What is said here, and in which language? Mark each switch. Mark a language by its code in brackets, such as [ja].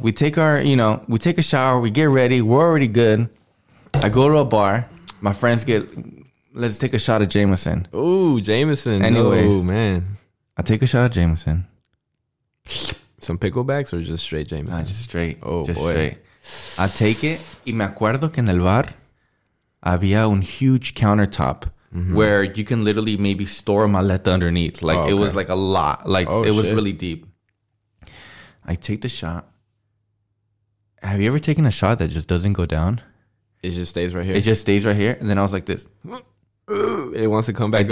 [en] We take our, you know, we take a shower. We get ready. We're already good. I go to a bar. My friends get, let's take a shot of Jameson. Ooh, Jameson. Anyways. Ooh, man. I take a shot of Jameson. Some picklebacks or just straight Jameson? Nah, just straight. Oh, just boy. Straight. I take it. [es] Y me acuerdo que en el bar había un [en] huge countertop. Mm-hmm. Where you can literally maybe store maleta underneath. Like, oh, okay. It was like a lot. Like, oh, it was shit. Really deep. I take the shot. Have you ever taken a shot that just doesn't go down? It just stays right here. It just stays right here. And then I was like this. It wants to come back